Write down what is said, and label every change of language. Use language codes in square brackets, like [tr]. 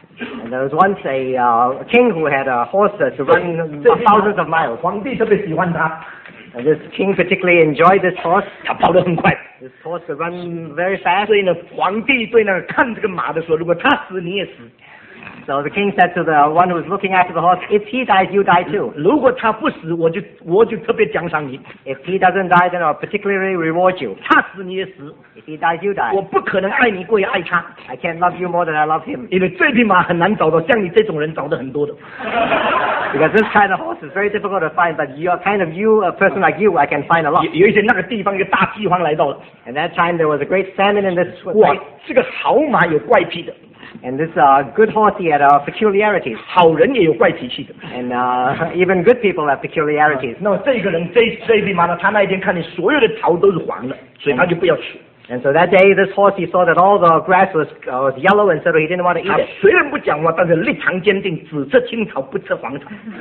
[en] And there was once a king who had a horse to run thousands of miles. [zh] 皇帝特别喜欢他。 [en] And this king particularly enjoyed this horse. [zh] 他跑得很快。 [en] This horse could run very fast. [zh] 所以呢，皇帝对那个看这个马的说，如果他死你也死。 [en] So the king said to the one who was looking after the horse, if he dies, you die too. [zh] 如果他不死，我就特别奖赏你。 [en] If he doesn't die, then I'll particularly reward you. [zh] 他死你也死。 [en] If he dies, you die. [zh] 我不可能爱你过于爱他。 [en] I can't love you more than I love him. [zh] 因为这匹马很难找到，像你这种人找的很多的。 [en] Because this kind of horse is very difficult to find, but you're kind of you, a person like you, I can find a lot. [zh] 有一天那个地方一个大饥荒来到了。 [en] And that time there was a great famine in this place. [zh] 哇，这个好马有怪癖的。 [en] And this good horse, he had peculiarities. [zh] 好人也有怪脾气的。 [en] And even good people have peculiarities. [zh] 那么这个人，这匹马呢，他那一天看见所有的草都是黄的，所以他就不要吃。 [en] And so that day, this horse, he saw that all the grass was yellow, and so he didn't want to eat it. [zh] 虽然不讲话，但是立场坚定，只吃青草，不吃黄草。